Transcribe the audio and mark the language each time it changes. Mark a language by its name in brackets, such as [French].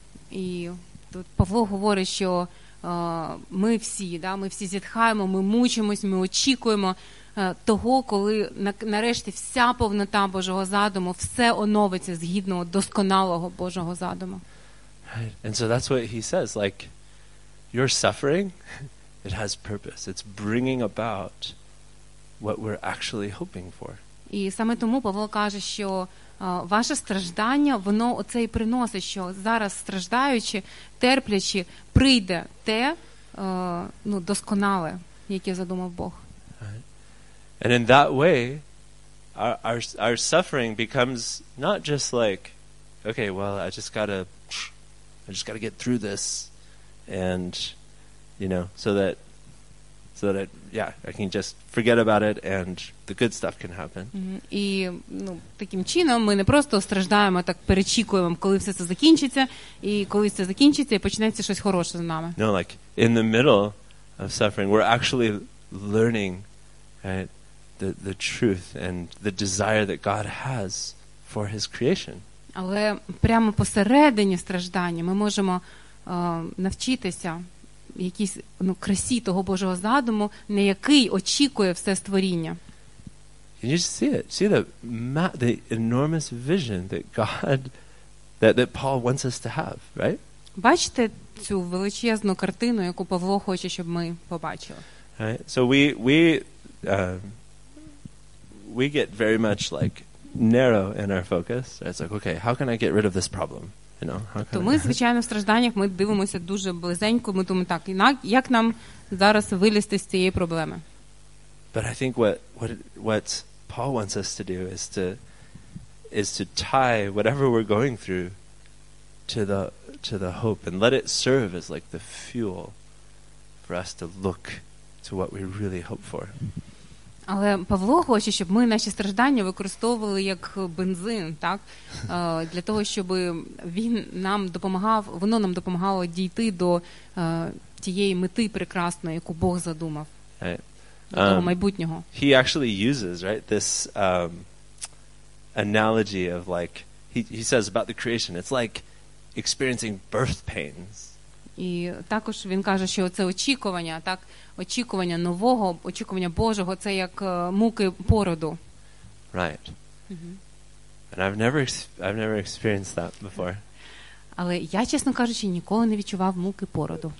[Ukrainian] І тут Павло говорить, що ми всі, да, ми всі зітхаємо, ми мучимось, ми очікуємо того, коли нарешті вся повнота Божого задуму, все оновиться згідно досконалого Божого задуму. [English] Right. And so that's what he says, like, your suffering, it has purpose. It's bringing about what we're actually hoping for. [Ukrainian] І саме тому Павло каже, що ваше страждання, воно оце і приносить, що зараз страждаючи, терплячи, прийде те, ну, досконале, яке задумав Бог. [English] And in that way, our suffering becomes not just like, okay, well, I just gotta get through this, and, you know, so that I can just forget about it and the good stuff can happen. [Ukrainian] І, ну, таким чином ми не просто страждаємо, так перечікуємо, коли все це закінчиться, і коли це закінчиться, і почнеться щось хороше з нами. [English] No, like, in the middle of suffering, we're actually learning, right, the truth and the desire that God has for his creation. [Ukrainian] Але прямо посередині страждання ми можемо навчитися якісь, ну, красі того Божого задуму, на який очікує все створіння. [English] Can you see it? See the enormous vision that God, that Paul wants us to have, right? [Ukrainian] Бачите цю величезну картину, яку Павло хоче, щоб ми побачили? [English] Right? So we get very much like narrow in our focus. It's like, okay, how can I get rid of this problem? [Ukrainian] То ми, звичайно, в стражданнях ми дивимося дуже близенько, ми думаємо так, як нам зараз вилізти з цієї проблеми. [English] But I think what Paul wants us to do is to tie whatever we're going through to the hope and let it serve as like the fuel for us to look to what we really hope for. [Ukrainian] Але Павло хоче, щоб ми наші страждання використовували як бензин, так? Для того, щоб він нам допомагав, воно нам допомагало дійти до тієї мети прекрасної, яку Бог задумав. [English] Right. [Ukrainian] До того майбутнього. [English] He actually uses, right, this analogy of like, he says about the creation, it's like experiencing birth pains. [Ukrainian] І також він каже, що це очікування, так, очікування нового, очікування Божого, це як муки породу. [English] Right. Mm-hmm. And I've never experienced that before. [Ukrainian] Але я, чесно кажучи, ніколи не відчував муки породу.